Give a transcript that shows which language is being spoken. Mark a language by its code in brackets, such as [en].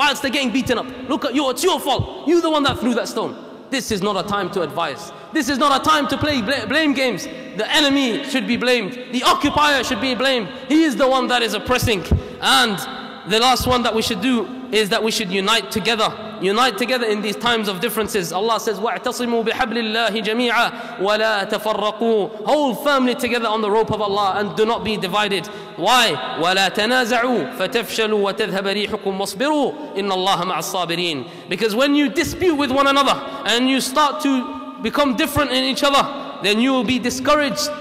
[en] Whilst they're getting beaten up, look at you, it's your fault. You're the one that threw that stone. This is not a time to advise. This is not a time to play blame games. The enemy should be blamed. The occupier should be blamed. He is the one that is oppressing. And the last one that we should do is that we should unite together. Unite together in these times of differences. Allah says, [ar] وَاعْتَصِمُوا بِحَبْلِ اللَّهِ جَمِيعًا وَلَا تَفَرَّقُوا. [en] Hold firmly together on the rope of Allah and do not be divided. Why? [ar] وَلَا تَنَازَعُوا فَتَفْشَلُوا وَتَذْهَبَ رِيحُكُمْ وَاصْبِرُوا إِنَّ اللَّهَ مَعَ الصَّابِرِينَ. [en] Because when you dispute with one another and you start to become different in each other, then you will be discouraged.